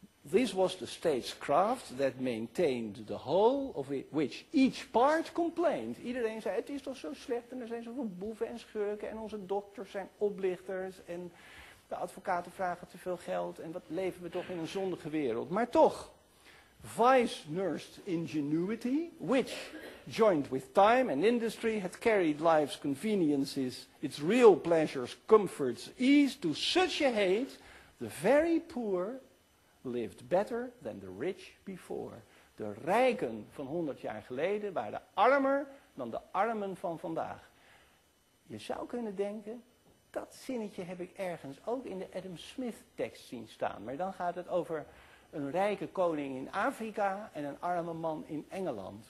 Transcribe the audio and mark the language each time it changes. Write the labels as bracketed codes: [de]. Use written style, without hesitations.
[en] This was the statescraft that maintained the whole of which each part complained. [nl] Iedereen zei, het is toch zo slecht en er zijn zoveel boeven en schurken en onze dokters zijn oplichters en de advocaten vragen te veel geld en wat leven we toch in een zondige wereld. Maar toch, [en] vice nursed ingenuity, which joined with time and industry had carried life's conveniences, its real pleasures, comforts, ease to such a hate, the very poor lived better than the rich before. [nl] De rijken van 100 jaar geleden waren armer dan de armen van vandaag. Je zou kunnen denken, dat zinnetje heb ik ergens ook in de Adam Smith tekst zien staan. Maar dan gaat het over een rijke koning in Afrika en een arme man in Engeland.